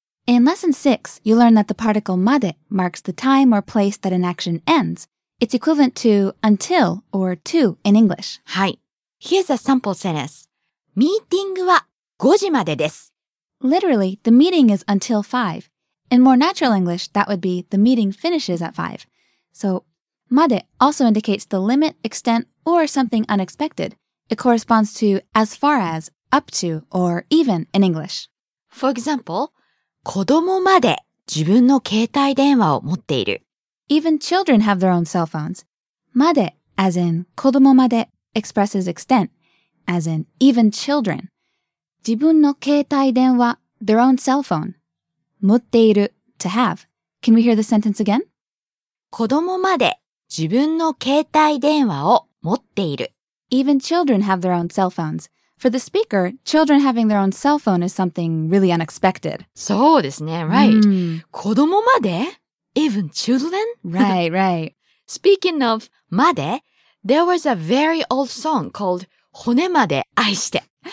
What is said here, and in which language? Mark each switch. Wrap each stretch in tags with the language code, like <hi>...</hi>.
<en>In lesson 6, you learn that the particle まで marks the time or place that an action ends. It's equivalent to until or to in English. はい。Here's a sample sentence.</en> <ja>ミーティングは5時までです。</ja> <en>Literally, the meeting is until 5. In more natural English, that would be the meeting finishes at 5. So, made also indicates the limit, extent, or something unexpected. It corresponds to as far as, up to, or even in English.</en> <ja>For example, 子供まで自分の携帯電話を持っている。</ja> <en>Even children have their own cell phones. Made, as in 子供まで, expresses extent, as in even children. 自分の携帯電話, their own cell phone. 持っている, to have. Can we hear the sentence again?</en> <ja>子供まで自分の携帯電話を持っている。</ja> <en>Even children have their own cell phones. For the speaker, children having their own cell phone is something really unexpected.</en> <ja>そうですね、</ja> <en>right.、Mm. 子供まで?Even children? Right, right. Speaking of まで, there was a very old song called 骨まで愛して。</en>